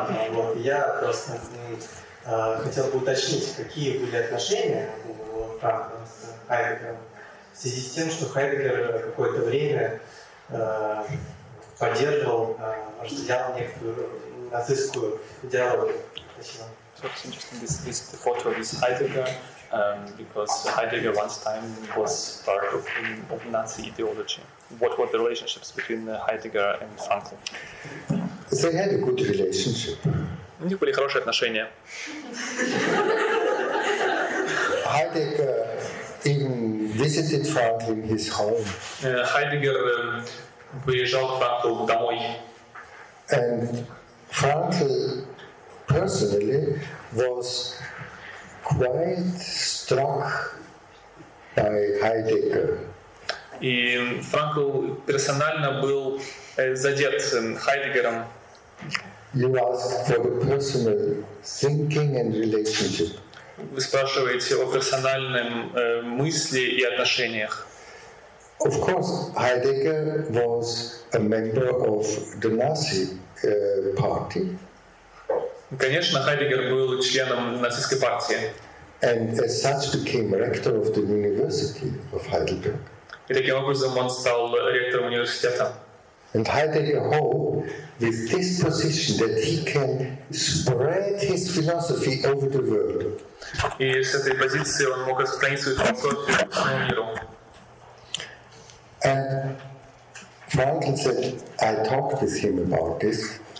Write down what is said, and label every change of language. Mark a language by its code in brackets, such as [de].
[ru] Вот, я просто хотел бы уточнить, какие были отношения у Франкла с Хайдеггером в связи с тем, что Хайдеггер какое-то время поддерживал, разделял некоторую нацистскую идеологию. Спасибо. [en] This photo is Heidegger, because Heidegger once time was part of Nazi ideology. What were the relationships between Heidegger and Frankl? They had a good relationship. [ru] У них были хорошие отношения. [en] Heidegger even visited Frankl in his home. [ru] Heidegger приезжал к Франклу домой. [en] And Frankl personally was quite struck by Heidegger. [ru] И Франкл персонально был задет Хайдеггером. [en] You ask for the personal thinking and relationship. [ru] Вы спрашиваете о персональном мысли и отношениях. [en] Of course, Heidegger was a member of the Nazi party. [ru] Конечно, Хайдеггер был членом нацистской партии. [en] And as such, became rector of the University of Heidelberg. [ru] И таким образом он стал ректором университета. [en] And Heidegger hoped, with this position, that he can spread his philosophy over the world. [ru] И с этой позиции он мог распространить свою философию по всему миру. [en] And Frankl said, I talked with him about this.